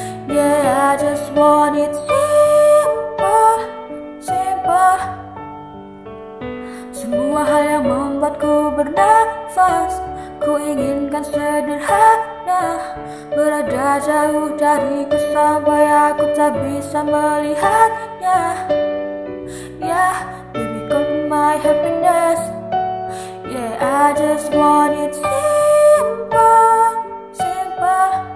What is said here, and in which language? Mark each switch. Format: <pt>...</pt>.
<en>Yeah, I just want it simple, simple.</en> <id>Semua hal yang membuatku bernafas, ku inginkan sederhana. Berada jauh dariku sampai aku tak bisa melihatnya.</id> <en>Yeah, baby, got my happiness. Yeah, I just want it simple, simple.</en>